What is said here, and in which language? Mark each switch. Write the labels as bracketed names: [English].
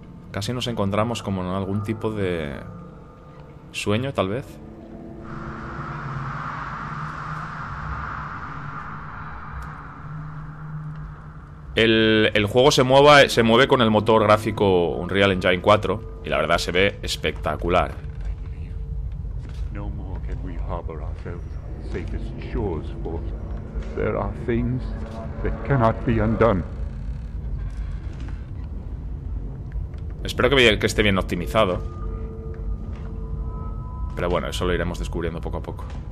[Spanish] Casi nos encontramos como en algún tipo de sueño, tal vez. El juego se mueve con el motor gráfico Unreal Engine 4 y la verdad se ve espectacular. [English] No more can we harbor ourselves on the safest shores, for there are things that cannot be undone. [Spanish] Espero que esté bien optimizado. Pero bueno, eso lo iremos descubriendo poco a poco.